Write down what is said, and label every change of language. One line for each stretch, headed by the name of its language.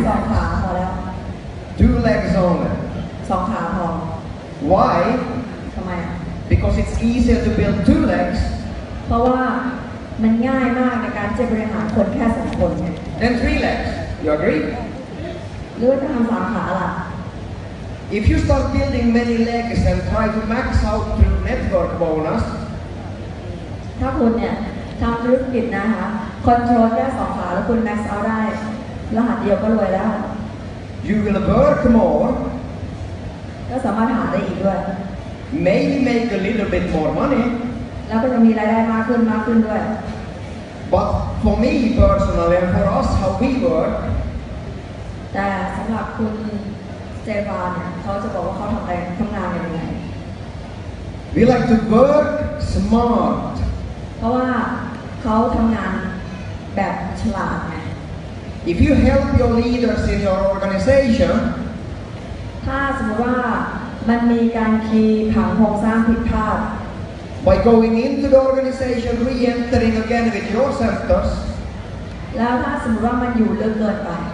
Thai: สองขาพอแล้ว
English: Two legs only
Thai: สองขาพ
English: อ Why
Thai: ทำไมอ่ะ
English: Because it's easier to build two legs
Thai: เพราะว่ามันง่ายมากในการจะบริหารคนแค่2คนไง
English: Then three legs You agree
Thai: หรือว่าจะทำ3ขาล่ะ
English: If you start building many legs and try to max out the network bonus
Thai: ถ้าคุณเนี่ยทำธุรกิจนะคะคอนโทรลแค่สองขาแล้วคุณแม็กซ์เอาได้รหัสเดียวก็รวยแล้ว
English: You will work more
Thai: ก็สามารถหาได้อีกด้วย
English: Maybe make a little bit more money
Thai: แล้วก็จะ ะมีรายได้มากขึ้นมากขึ้นด้วย
English: But for me personally and for us how we work
Thai: แต่สำหรับคุณเจฟานเนี่ยเขาจะบอกว่าเขาทำอะไรทำงานยังไง
English: We like to work smart
Thai: เพราะว่าเขาทำงานแบบฉลาดไง
English: If you help your leaders in your organization
Thai: ถ้าสมมติว่ามันมีการคีย์ผังโครงสร้างผิดพลาด
English: By going into the organization, re-entering again with your sectors
Thai: แล้วถ้าสมมติว่ามันอยู่เลิกเกินไป